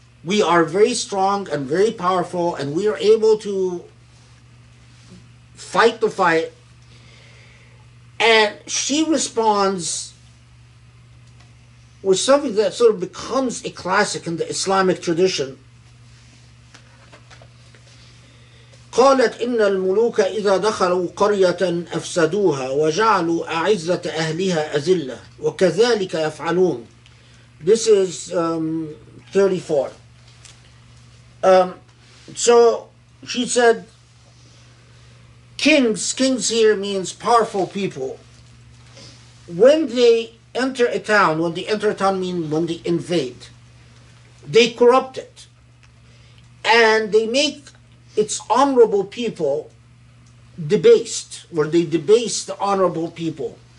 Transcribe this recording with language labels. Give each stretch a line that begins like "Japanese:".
English: We are very strong and very powerful, and we are able to fight the fight. And she responds with something that sort of becomes a classic in the Islamic tradition.
Arabic: قالت إن الملوك إذا دخلوا قرية أفسدوها وجعلوا أعزة أهلها أذلة وكذلك يفعلون.
English: This is 34. So she said, kings here means powerful people. When they enter a town, when they enter a town means when they invade, they corrupt it and they make its honorable people debased, where they debase the honorable people.